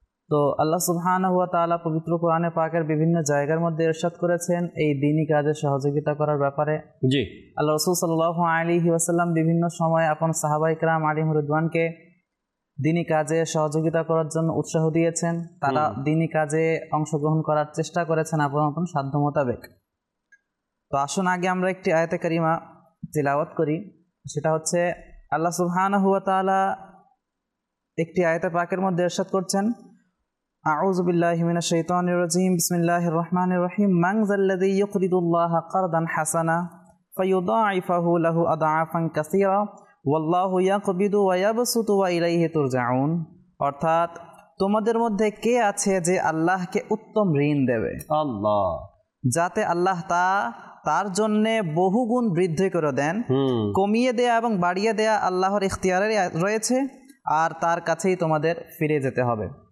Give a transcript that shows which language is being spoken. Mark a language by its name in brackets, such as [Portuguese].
[Bangla] তো আল্লাহ সুবহানাহু ওয়া তাআলা পবিত্র কোরআনে পাকের বিভিন্ন জায়গার মধ্যে ইরশাদ করেছেন এই দিনই কাজে সহযোগিতা করার ব্যাপারে। জি, আল্লাহ রাসূল সাল্লাল্লাহু আলাইহি ওয়াসাল্লাম বিভিন্ন সময় আপন সাহাবা ইকরাম আলী রিদওয়ানকে দিনই কাজে সহযোগিতা করার জন্য উৎসাহ দিয়েছেন, তারা দিনই কাজে অংশগ্রহণ করার চেষ্টা করেছেন আপন আপন সাধ্য মোতাবেক। তো আসুন আগে আমরা একটি আয়াতে কারিমা তেলাওয়াত করি, সেটা হচ্ছে আল্লাহ সুবহানাহু ওয়া তাআলা একটি আয়াতে পাকের মধ্যে ইরশাদ করছেন, [Arabic] أعوذ بالله من الشيطان الرجيم بسم الله الرحمن الرحيم من ذا الذي يقرض الله قرضا حسنا فيضاعفه له أضعافا كثيرة والله يقبض ويبسط وإليه ترجعون। [Bangla] অর্থাৎ তোমাদের মধ্যে কে আছে যে আল্লাহকে উত্তম ঋণ দেবে, আল্লাহ, যাতে আল্লাহ তার জন্য বহুগুণ বৃদ্ধি করে দেন, কমিয়ে দেয়া এবং বাড়িয়ে দেয়া আল্লাহর ইখতিয়ারে রয়েছে, আর তার কাছেই তোমাদের ফিরে যেতে হবে।